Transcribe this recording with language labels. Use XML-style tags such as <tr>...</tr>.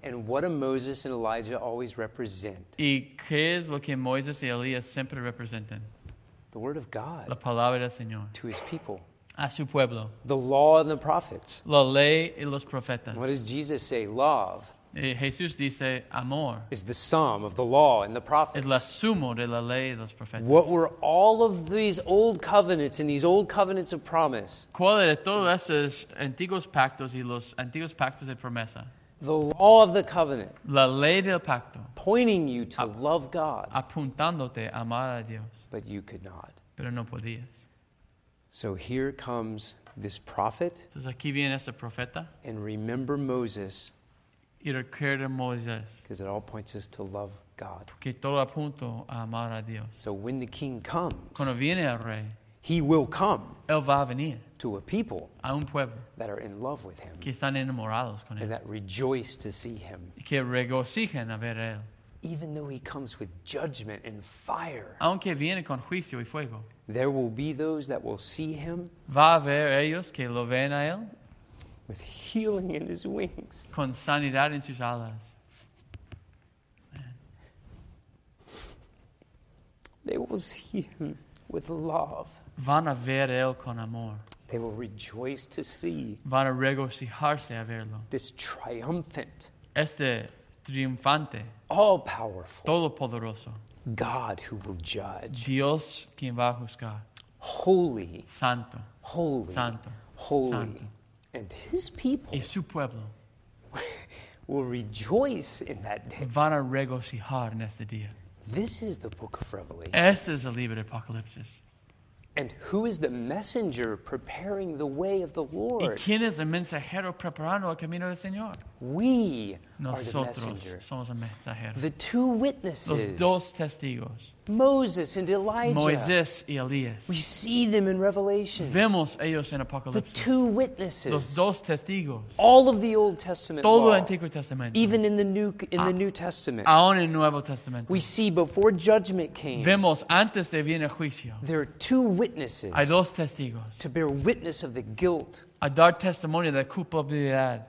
<en>And what do Moses and Elijah always represent?</en> <es>¿Y qué es lo que Moisés y Elías siempre representan?</es> <en>The word of God.</en> <es>La palabra del Señor.</es> <en>To his people.</en> <es>A su pueblo.</es> <en>The law and the prophets.</en> <es>La ley y los profetas.</es> <en>What does Jesus say? Love.</en> <es>Jesús dice, amor.</es> <en>Is the sum of the law and the prophets.</en> <es>Es la suma de la ley y los profetas.</es> <en>What were all of these old covenants and these old covenants of promise?</en> <es>¿Cuál era todos esos antiguos pactos y los antiguos pactos de promesa?</es> <en>The law of the covenant.</en> <es>La ley del pacto.</es> <en>Pointing you to love God.</en> <es>Apuntándote a amar a Dios.</es> <en>But you could not.</en> <es>Pero no podías.</es> <en>So here comes this prophet.</en> <es>Entonces aquí viene este profeta.</es> <en>And remember Moses.</en> <es>Y recuerda a Moisés.</es> <en>Because it all points us to love God.</en> <es>Porque todo apunta a amar a Dios.</es> <en>So when the king comes.</en> <es>Cuando viene el rey.</es> <en>He will come.</en> <es>Él va a venir.</es> <en>To a people.</en> <es>A un pueblo.</es> <en>That are in love with him.</en> <es>Que están enamorados con él.</es> <en>And that rejoice to see him.</en> <es>Y que regocijan a ver a él.</es> <en>Even though he comes with judgment and fire.</en> <es>Aunque viene con juicio y fuego.</es> <en>There will be those that will see him.</en> <es>Va a haber ellos que lo ven a él.</es> <en>With healing in his wings.</en> <es>Con sanidad en sus alas.</es> <en>They will see him with love.</en> <es>Van a ver él con amor.</es> <en>They will rejoice to see.</en> <es>Van a regocijarse a verlo.</es> <en>This triumphant.</en> <es>Este triunfante.</es> <en>All powerful.</en> <es>Todo poderoso.</es> <en>God who will judge.</en> <es>Dios quien va a juzgar.</es> <en>Holy.</en> <es>Santo.</es> <en>Holy.</en> <es>Santo.</es> <en>Holy.</en> <es>Santo.</es> <en>And his people</en> <es>y su pueblo</es> <en>will rejoice in that day.</en> <es>Van a regocijar en ese día.</es> <en>This is the book of Revelation.</en> <es>Este es el libro de Apocalipsis.</es> <en>And who is the messenger preparing the way of the Lord?</en> <es>¿Y quién es el mensajero preparando el camino del Señor?</es> <en>We</en> <es>nosotros</es> <en>are the</en> <es>somos el mensajero.</es> <en>The two witnesses.</en> <es>Los dos testigos.</es> <en>Moses and Elijah.</en> <es>Moisés y Elías.</es> <en>We see them in Revelation.</en> <es>Vemos ellos en Apocalipsis.</es> <en>The two witnesses.</en> <es>Los dos testigos.</es> <en>All of the Old Testament.</en> <es>Todo</es> <en>law,</en> <es>el Antiguo Testamento.</es> <en>Even in the New Testament.</en> <es>Aún en Nuevo Testamento.</es> <en>We see before judgment came.</en> <es>Vemos antes de viene juicio.</es> <en>There are two witnesses.</en> <es>Hay dos testigos.</es> <en>To bear witness of the guilt.</en> <es>A dar testimonio de culpabilidad.</es>